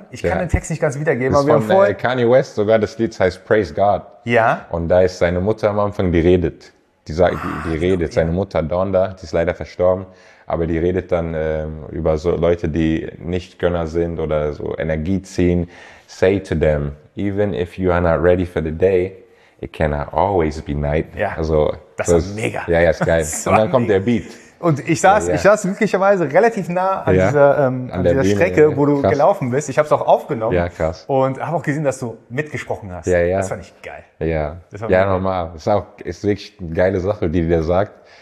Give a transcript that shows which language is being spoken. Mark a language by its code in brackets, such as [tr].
[de] Ich kann den Text nicht ganz wiedergeben. Das ist von Kanye West sogar, das Lied heißt Praise God. Ja. Und da ist seine Mutter am Anfang, die redet. Seine Mutter Donda, die ist leider verstorben, aber die redet dann über so Leute, die nicht Gönner sind oder so Energie ziehen. [en] Say to them, even if you are not ready for the day, it cannot always be night. [de] Ja, also, das war mega. Ja, ja, ist geil. Und dann kommt der Beat. Und ich saß glücklicherweise relativ nah an dieser Strecke, wo du gelaufen bist. Ich habe es auch aufgenommen. Ja, krass. Und habe auch gesehen, dass du mitgesprochen hast. Ja, ja. Das fand ich geil. Ja, normal. Ist wirklich eine geile Sache, die der sagt.